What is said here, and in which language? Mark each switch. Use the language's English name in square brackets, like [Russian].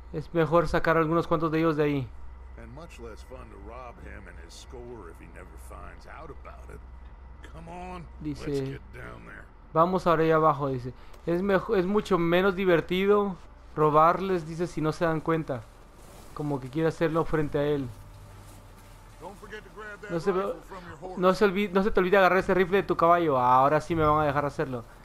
[Spanish] Es mejor sacar algunos cuantos de ellos de ahí. [English] And much less fun to rob him and his score if he never finds out about it. Come on, let's [Spanish] Dice. [English] get down there. [Spanish] Vamos ahora allá abajo, dice. Es mejor, es mucho menos divertido robarles, dice, si no se dan cuenta. Como que quiere hacerlo frente a él. No se ve, no se te olvide agarrar ese rifle de tu caballo. Ah, ahora sí me van a dejar hacerlo.